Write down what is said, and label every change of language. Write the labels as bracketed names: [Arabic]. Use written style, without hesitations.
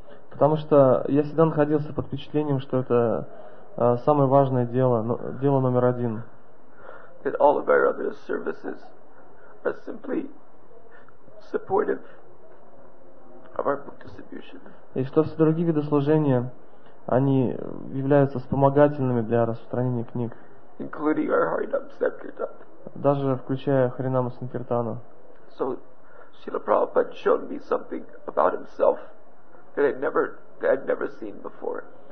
[Russian] Потому что я всегда находился под впечатлением, что это самое важное дело, дело номер один. [English] That all of our other services are simply supportive of our book distribution. [Russian] И что все другие виды служения, они являются вспомогательными для распространения книг. [English] Including our Харинам Санкиртан. [Russian] Даже включая Харинаму Санкиртану. [English] So, Srila Prabhupada showed me something about himself that I'd never seen before.